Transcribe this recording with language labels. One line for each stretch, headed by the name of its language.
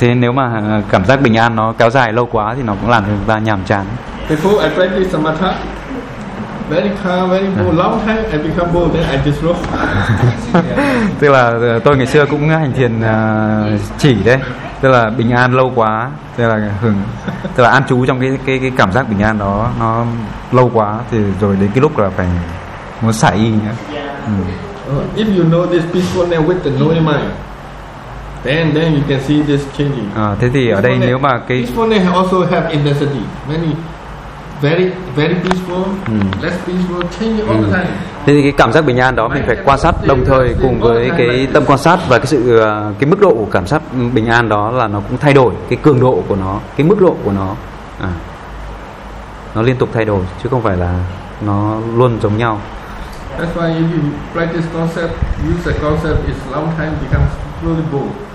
Vietnamese: Thế nếu mà cảm giác bình an nó kéo dài lâu quá thì nó cũng làm cho chúng ta nhàm chán.
English: Before I practice samatha, very calm, very bored. Long time I become bored, then I disrobe.
Vietnamese: Tức là tôi ngày xưa cũng hành thiền chỉ đấy. Tức là bình an lâu quá, tức là an trú trong cái cảm giác bình an đó nó lâu quá thì rồi đến cái lúc là phải muốn xả y nhá.
English: If you know this peacefulness with the knowing mind, then you can see this changing.
Vietnamese: Thế thì ở đây nếu mà cái
English: peacefulness also have intensity, many very very peaceful, less peaceful, change all the time.
Vietnamese: Thế thì cái cảm giác bình an đó mình phải quan sát đồng thời cùng với cái tâm quan sát, và cái sự cái mức độ của cảm giác bình an đó là nó cũng thay đổi, cái cường độ của nó, cái mức độ của nó, nó liên tục thay đổi chứ không phải là nó luôn giống nhau.
English: That's why if you practice concept, use the concept, it's long time becomes really bold.